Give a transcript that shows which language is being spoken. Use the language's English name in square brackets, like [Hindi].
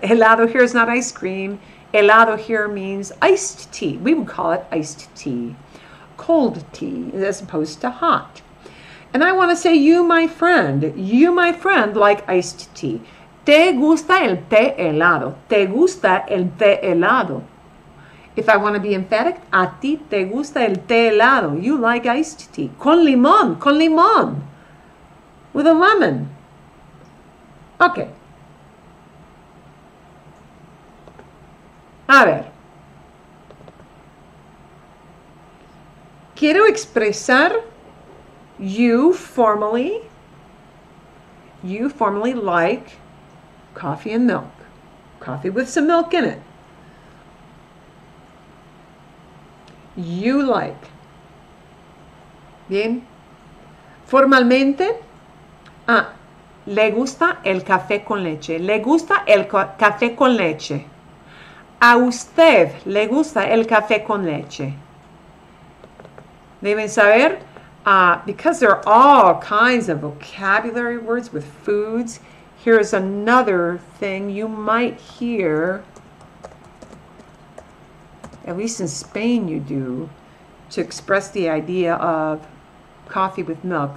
[English] Helado here is not ice cream. Helado here means iced tea. We would call it iced tea. Cold tea as opposed to hot. And I want to say, you, my friend, like iced tea. [Spanish] Te gusta el té helado. Te gusta el té helado. [English] If I want to be emphatic, [Spanish] a ti te gusta el té helado. [English] You like iced tea. [Spanish] Con limón, [English] with a lemon. Okay. [Spanish] A ver. Quiero expresar [English] you formally like coffee and milk, coffee with some milk in it. You like, [Spanish] bien, formalmente, le gusta el café con leche, le gusta el café con leche. ¿A usted le gusta el café con leche? Deben saber, [English] because there are all kinds of vocabulary words with foods, here's another thing you might hear, at least in Spain you do, to express the idea of coffee with milk.